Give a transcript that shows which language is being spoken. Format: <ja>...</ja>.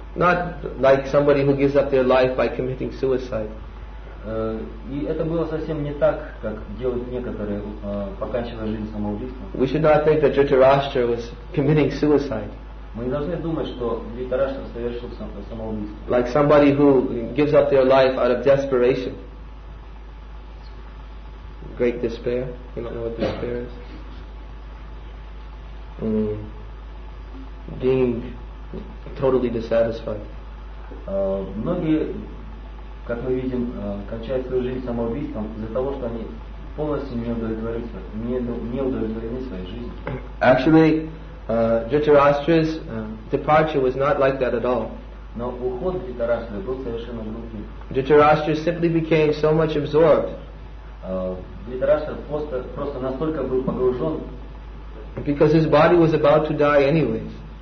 <en>Not like somebody who gives up their life by committing suicide.</en> <ru>И это было совсем не так, как делают некоторые, покончивая жизнь самоубийством.</ru> <en>We should not think that Dhritarashtra was committing suicide.</en> <ru>Мы не должны думать, что Дхритараштра совершил самоубийство.</ru> <en>Like somebody who gives up their life out of desperation. Great despair. You don't know what despair is? Being totally dissatisfied.</en> <ru>Многие, как мы видим, кончают свою жизнь самоубийством из-за того, что они полностью не удовлетворены своей жизнью.</ru> <en>Actually, Dhritarashtra's departure was not like that at all.</en> <ru>Но уход Dhritarashtra был совершенно другим.</ru> <en>Dhritarashtra simply became so much absorbed.</en> <ru>Dhritarashtra просто настолько был погружен.</ru> <en>Because his body was about to die anyways.</en>